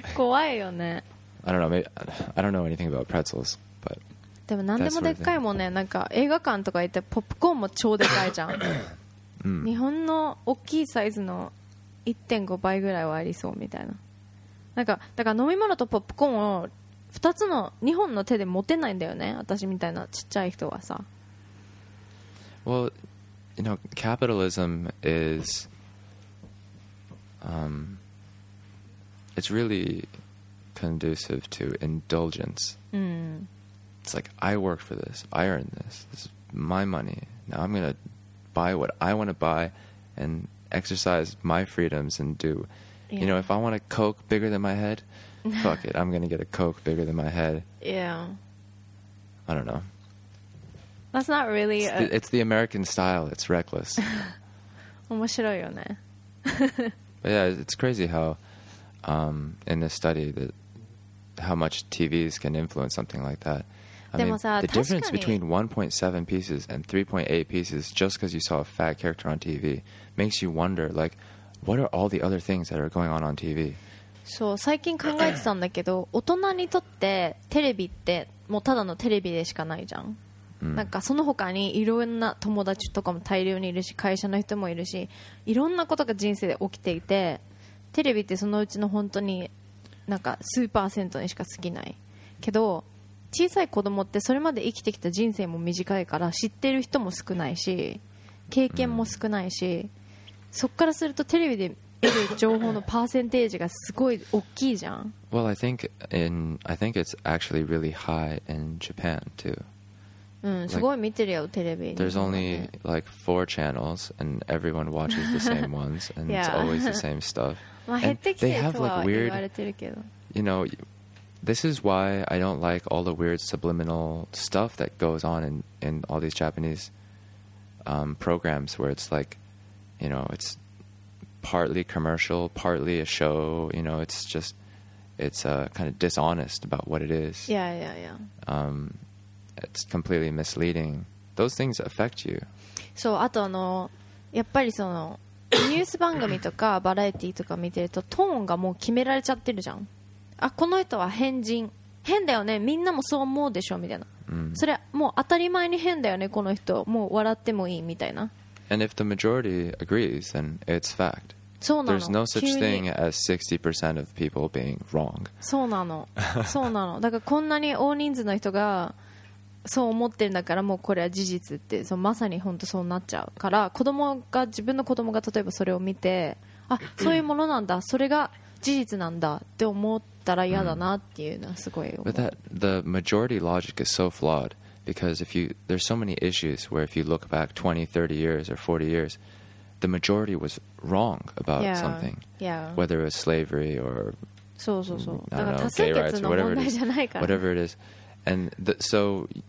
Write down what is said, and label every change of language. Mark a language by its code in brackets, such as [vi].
[ja] 怖いよね。 [en] I don't know. Maybe, I don't know anything about pretzels, but. [ja] でも何でもでっかいもんね。なんか映画館とか行ってポップコーンも超でかいじゃん。日本の大きいサイズの 1.5 倍ぐらいはありそうみたいな。なんかだから飲み物とポップコーンを2つの2本の手で持てないんだよね、私みたいなちっちゃい人はさ。 [en] Well, you know, capitalism is it's really conducive to indulgence. It's like, I worked for this, I earned this, this is my money, now I'm gonna buy what I want to buy and exercise my freedoms and do, yeah. You know, if I want a Coke bigger than my head, fuck it, I'm gonna get a Coke bigger than my head. Yeah, I don't know, that's not really it's the American style. It's reckless. [ja] 面白いよね。 [en] But yeah, it's crazy how in this study that how much TVs can influence something like that. I mean, the difference between 1.7 pieces and 3.8 pieces just because you saw a fat character on TV makes you wonder, like, what are all the other things that are going on TV? [ja] そう、最近考えてたんだけど、大人にとってテレビってもうただのテレビでしかないじゃん。なんかその他にいろんな友達とかも大量にいるし、会社の人もいるし、いろんなことが人生で起きていて、テレビってそのうちの本当になんか数パーセントにしか過ぎないけど、小さい子供ってそれまで生きてきた人生も短いから知ってる人も少ないし経験も少ないし、そっからするとテレビで得る情報のパーセンテージがすごい大きいじゃん。 [en] Well, I think it's actually really high in Japan too. [ja] すごい見てるよテレビ。 [en] There's only like 4 channels and everyone watches the same ones and yeah. It's always the same stuff. [ja] まあ減ってきてるとは言われてるけど、 [en] You knowThis is why I don't like all the weird subliminal stuff that goes on in all these Japanese programs where it's like, you know, it's partly commercial, partly a show, you know, it's just, it's kind of dishonest about what it is. Yeah, yeah, yeah. It's completely misleading. Those things affect you. [ja] So, あとあの、やっぱりそのニュース番組とかバラエティとか見てるとトーンがもう決められちゃってるじゃん。あ、この人は変人、変だよね、みんなもそう思うでしょみたいな、それもう当たり前に変だよねこの人、もう笑ってもいいみたいな。 [en] And if the majority agrees, then it's fact. [ja] そうなの。 [en] There's no such thing as 60% of people being wrong. [ja] そうなの、そうなの。だからこんなに大人数の人がそう思ってるんだからもうこれは事実って、そのまさに本当そうなっちゃうから、子供が、自分の子供が例えばそれを見て、あ、そういうものなんだ、それが事実なんだって思ったら嫌だなっていうのはすごい思う。 [en] But that, the majority logic is so flawed because if you, there's so many issues where if you look back 20, 30 years or 40 years, the majority was wrong about yeah, something. Yeah. Whether it was slavery or, [ja] そうそうそう。 [en] I don't know, gay rights or whatever it is. Whatever it is. And the, so